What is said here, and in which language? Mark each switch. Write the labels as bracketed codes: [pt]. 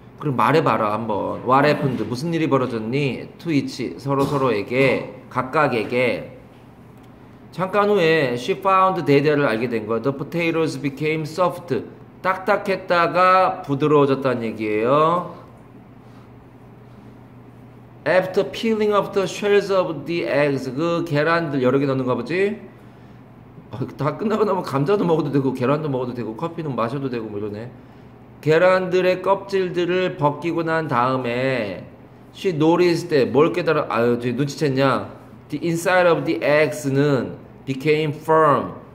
[ko] 그럼 말해봐라, 한번. [en] What happened? [ko] 무슨 일이 벌어졌니? [en] To each, [ko] 서로서로에게, 각각에게. 잠깐 후에 [en] she found dead [ko] 를 알게 된 거예요. [en] The potatoes became soft. [ko] 딱딱했다가 부드러워졌다는 얘기예요. [en] After peeling off the shells of the eggs. [ko] 그 계란들 여러 개 넣는가 보지? 다 끝나고 나면 감자도 먹어도 되고 계란도 먹어도 되고 커피는 마셔도 되고 뭐 이러네. 계란들의 껍질들을 벗기고 난 다음에 [en] she noticed that. [ko] 뭘 깨달아? 아유, 눈치챘냐? [en] The inside of the eggs는 became firm.